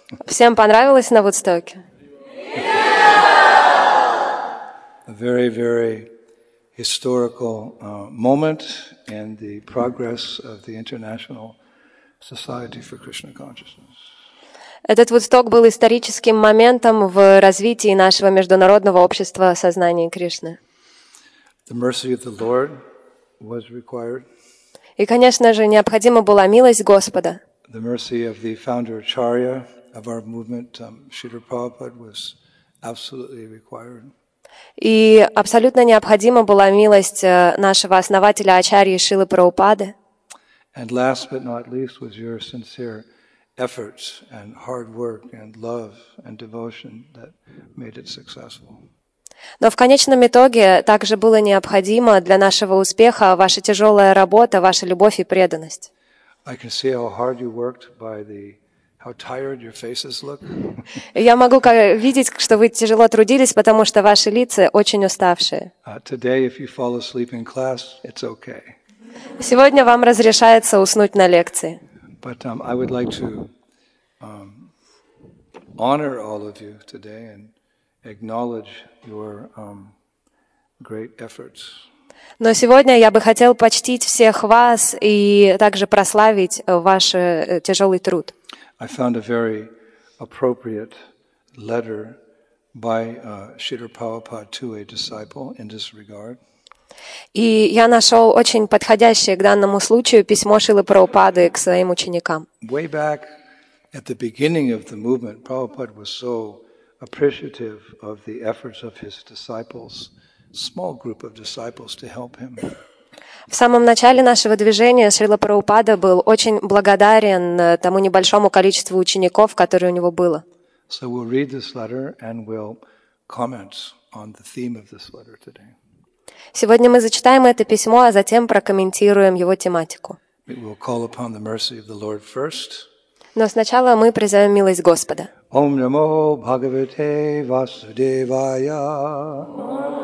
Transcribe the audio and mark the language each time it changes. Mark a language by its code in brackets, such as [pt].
[ru] Всем понравилось на Вудстоке? [en] A very, very historical moment in the progress of the International Society for Krishna Consciousness. [ru] Этот Вудсток был историческим моментом в развитии нашего международного общества сознания Кришны. [en] The mercy of the Lord was required. [ru] И, конечно же, необходима была милость Господа. [en] The mercy of the founder Acharya of our movement, Śrīla Prabhupāda, was absolutely required. [ru] И абсолютно необходима была милость нашего основателя Ачарьи Шилы Прабхупады. [en] And last but not least was your sincere efforts and hard work and love and devotion that made it successful. [ru] Но в конечном итоге также было необходимо для нашего успеха ваша тяжелая работа, ваша любовь и преданность. [en] I can see how hard you worked by the how tired your faces look. [ru] Я могу видеть, что вы тяжело трудились, потому что ваши лица очень уставшие. [en] Today, if you fall asleep in class, it's okay. [ru] Сегодня вам разрешается уснуть на лекции. [en] But I would like to honor all of you today and acknowledge your great efforts. [ru] Но сегодня я бы хотел почтить всех вас и также прославить ваш тяжелый труд. [en] I found a very appropriate letter by Śrīla Prabhupāda to a disciple in this regard. [ru] И я нашел очень подходящее к данному случаю письмо Шилы Прабхупады к своим ученикам. [en] Way back at the beginning of the movement, Prabhupada was so appreciative of the efforts of his disciples, small group of disciples, to help him. [ru] В самом начале нашего движения Шрила Прабхупада был очень благодарен тому небольшому количеству учеников, которые у него было. [en] So we'll read this letter and we'll comment on the theme of this letter today. [ru] Сегодня мы зачитаем это письмо, а затем прокомментируем его тематику. Но сначала мы призовем милость Господа. [sa] Ом намо Бхагавате Васудевая.